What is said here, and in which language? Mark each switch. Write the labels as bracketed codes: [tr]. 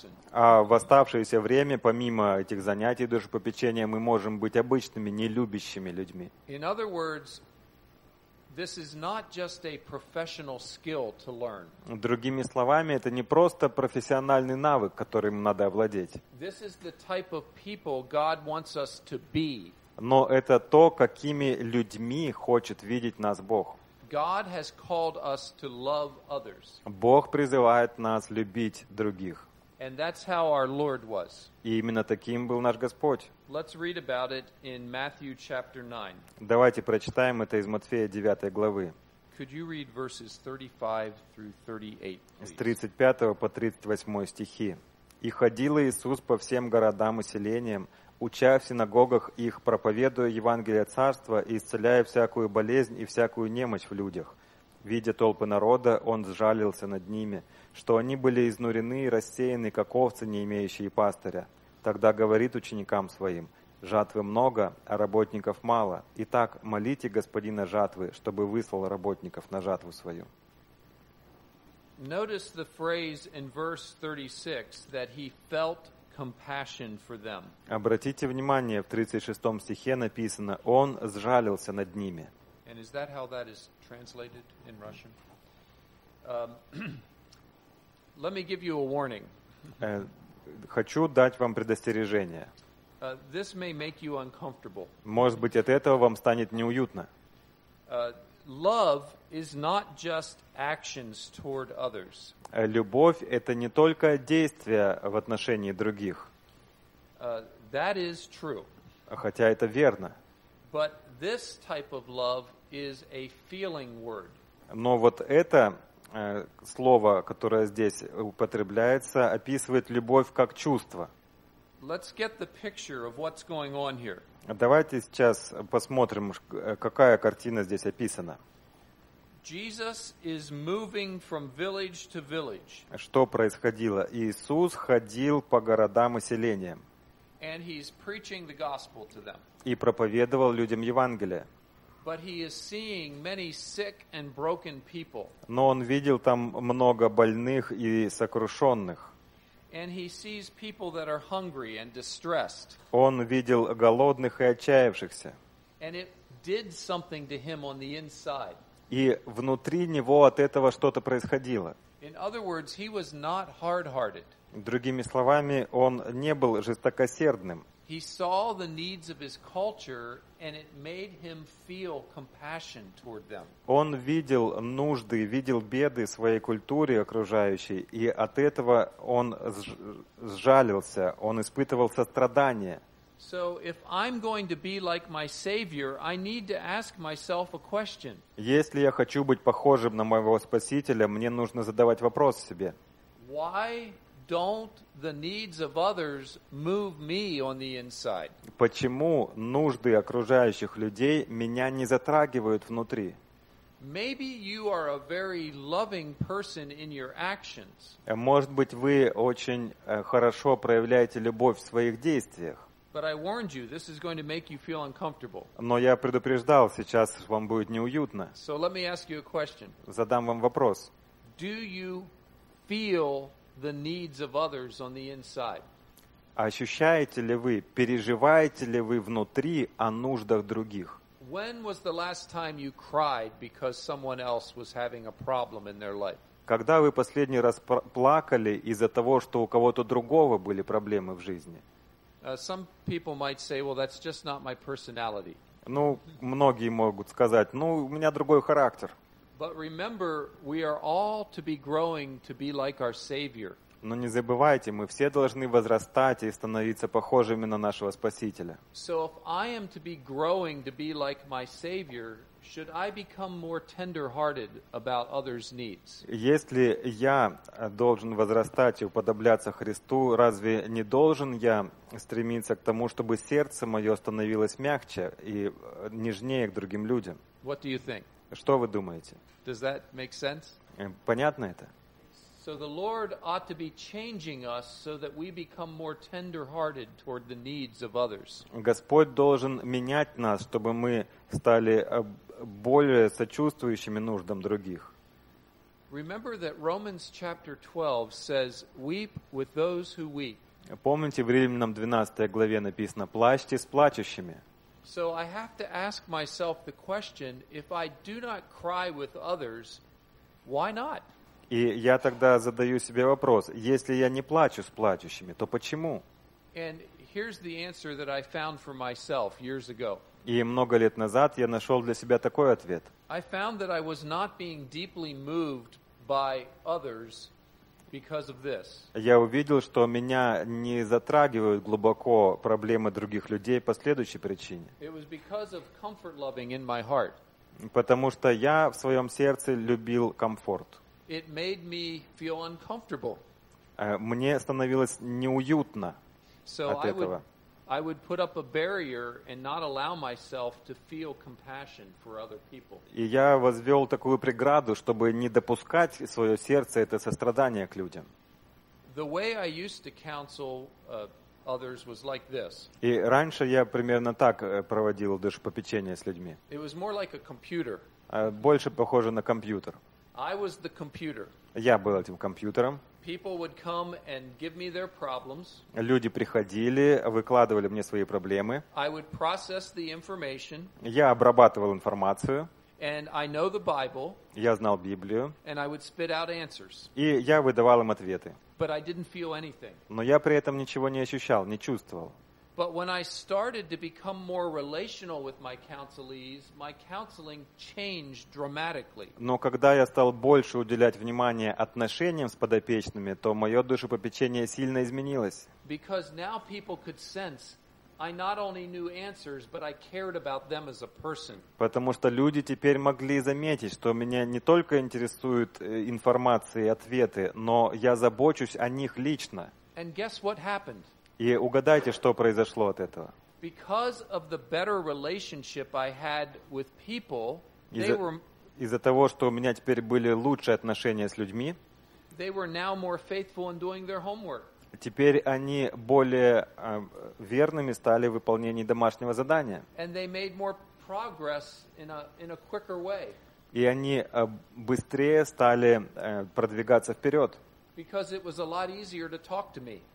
[ru] А в оставшееся время, помимо этих занятий душепопечения, мы можем быть обычными, нелюбящими людьми. [en] In other words, this is not just a professional skill to learn. [ru] Другими словами, это не просто профессиональный навык, которым надо овладеть. [en] This is the type of people God wants us to be. [ru] Но это то, какими людьми хочет видеть нас Бог. [en] God has called us to love others. [ru] Бог призывает нас любить других. [en] And that's how our Lord was. [ru] И именно таким был наш Господь. [en] Let's read about it in Matthew chapter 9. [ru] Давайте прочитаем это из Матфея 9 главы. [en] Could you read verses 35 through 38, please? [ru] С 35 по 38 стихи. «И ходил Иисус по всем городам и селениям, уча в синагогах их, проповедуя Евангелие Царства и исцеляя всякую болезнь и всякую немощь в людях. Видя толпы народа, Он сжалился над ними, что они были изнурены и рассеяны, как овцы, не имеющие пастыря. Тогда говорит ученикам своим: жатвы много, а работников мало. Итак, молите Господина жатвы, чтобы выслал работников на жатву свою». [en] Notice the phrase in verse 36 that he felt compassion for them. [ru] Обратите внимание, в 36 стихе написано: «Он сжалился над ними». [en] And is that how that is translated in Russian? Let me give you a warning. [ru] Хочу дать вам предостережение. [en] This may make you uncomfortable. [ru] Может быть, от этого вам станет неуютно. [en] Love is not just actions toward others. [ru] Любовь – это не только действия в отношении других. [en] That is true. [ru] Хотя это верно. [en] But this type of love is a feeling word. [ru] Но вот это слово, которое здесь употребляется, описывает любовь как чувство. [en] Let's get the picture of what's going on here. [ru] Давайте сейчас посмотрим, какая картина здесь описана. [en] Jesus is moving from village to village. [ru] Что происходило? Иисус ходил по городам и селениям. [en] And he's preaching the gospel to them. [ru] И проповедовал людям Евангелие. [en] But he is seeing many sick and broken people. [ru] Но он видел там много больных и сокрушенных. [en] And he sees people that are hungry and distressed. [ru] Он видел голодных и отчаявшихся. [en] And it did something to him on the inside. [ru] И внутри него от этого что-то происходило. [en] In other words, he was not hard-hearted. [ru] Другими словами, он не был жестокосердным. [en] He saw the needs of his culture, and it made him feel compassion toward them. [ru] Он видел нужды, видел беды своей культуры окружающей, и от этого он сжалился, он испытывал сострадание. [en] So if I'm going to be like my Savior, I need to ask myself a question. [ru] Если я хочу быть похожим на моего Спасителя, мне нужно задавать вопрос себе. [en] Why don't the needs of others move me on the inside? [ru] Почему нужды окружающих людей меня не затрагивают внутри? [en] Maybe you are a very loving person in your actions. [ru] Может быть, вы очень хорошо проявляете любовь в своих действиях. [en] But I warned you, this is going to make you feel uncomfortable. [ru] Но я предупреждал, сейчас вам будет неуютно. [en] So let me ask you a question. [ru] Задам вам вопрос. [en] Do you feel the needs of others on the inside? [ru] Ощущаете ли вы, переживаете ли вы внутри о нуждах других? [en] When was the last time you cried because someone else was having a problem in their life? [ru] Когда вы последний раз плакали из-за того, что у кого-то другого были проблемы в жизни? [en] Some people might say, well, that's just not my personality. [ru] Ну, многие могут сказать, ну, у меня другой характер. [en] But remember, we are all to be growing to be like our Savior. [ru] Но не забывайте, мы все должны возрастать и становиться похожими на нашего Спасителя. [en] So if I am to be growing to be like my Savior, should I become more tender-hearted about others' needs? [ru] Если я должен возрастать и уподобляться Христу, разве не должен я стремиться к тому, чтобы сердце мое становилось мягче и нежнее к другим людям? [en] What do you think? [ru] Что вы думаете? [en] Does that make sense? [ru] Понятно это? [en] So the Lord ought to be changing us so that we become more tender-hearted toward the needs of others. [ru] Господь должен менять нас, чтобы мы стали более сочувствующими нуждам других. [en] Remember that Romans chapter 12 says, "Weep with those who weep." [ru] Помните, в Римлянам 12 главе написано: "Плачьте с плачущими." [en] So I have to ask myself the question, if I do not cry with others, why not? [ru] И я тогда задаю себе вопрос, если я не плачу с плачущими, то почему? [en] And here's the answer that I found for myself years ago. [ru] И много лет назад я нашел для себя такой ответ. [en] I found that I was not being deeply moved by others because of this. [ru] Я увидел, что меня не затрагивают глубоко проблемы других людей по следующей причине. [en] It was because of comfort loving in my heart. [ru] Потому что я в своем сердце любил комфорт. [en] It made me feel uncomfortable. [ru] Мне становилось неуютно от этого. [en] I would put up a barrier and not allow myself to feel compassion for other people. [ru] И я возвел такую преграду, чтобы не допускать свое сердце это сострадание к людям. [en] The way I used to counsel others was like this. [ru] И раньше я примерно так проводил душепопечение с людьми. [en] It was more like a computer. [ru] Больше похоже на компьютер. [en] I was the computer. [ru] Я был этим компьютером. [en] People would come and give me their problems. [ru] Люди приходили, выкладывали мне свои проблемы. [en] I would process the information. [ru] Я обрабатывал информацию. [en] And I know the Bible. [ru] Я знал Библию. [en] And I would spit out answers. [ru] И я выдавал им ответы. [en] But I didn't feel anything. [ru] Но я при этом ничего не ощущал, не чувствовал. [en] But when I started to become more relational with my counselees, my counseling changed dramatically. [ru] Но когда я стал больше уделять внимание отношениям с подопечными, то мое душепопечение сильно изменилось. [en] Because now people could sense I not only knew answers, but I cared about them as a person. [ru] Потому что люди теперь могли заметить, что меня не только интересуют информации и ответы, но я забочусь о них лично. [en] And guess what happened? [ru] И угадайте, что произошло от этого. [en] Because of the better relationship I had with people, [ru] из-за того, что у меня теперь были лучшие отношения с людьми, [en] they were now more faithful in doing their homework. [ru] Теперь они более верными стали в выполнении домашнего задания. [en] And they made more progress in a quicker way. [ru] И они быстрее стали продвигаться вперед. [en] Because it was a lot easier to talk to me.